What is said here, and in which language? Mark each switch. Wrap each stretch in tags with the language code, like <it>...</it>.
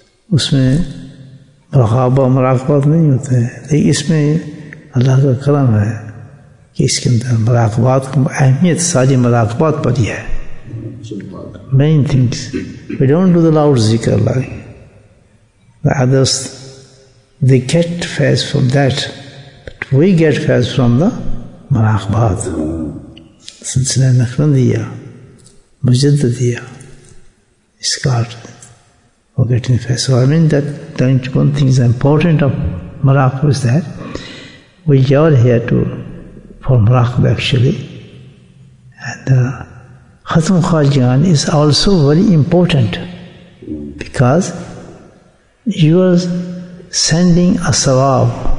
<ur>اس میں مراقبہ مراقبات نہیں ہوتے ہیں، لیکن اس میں اللہ کا کرم ہے کہ اس کے اندر مراقبات کو اہمیت ساری مراقبات پر ہی ہے.</ur> <en>Main things we don't do the loud ذکر like others, they get فیض from that, but we get فیض from the مراقبات.</en> <ur>سلسلہ نقشبندیہ مجدد دیا اس کا</ur> <en>forgetting the fact. So I mean that one thing is important of Muraqaba is that we are here to for Muraqaba actually. And Khatm Khajian is also very important because you are sending a sawab.</en>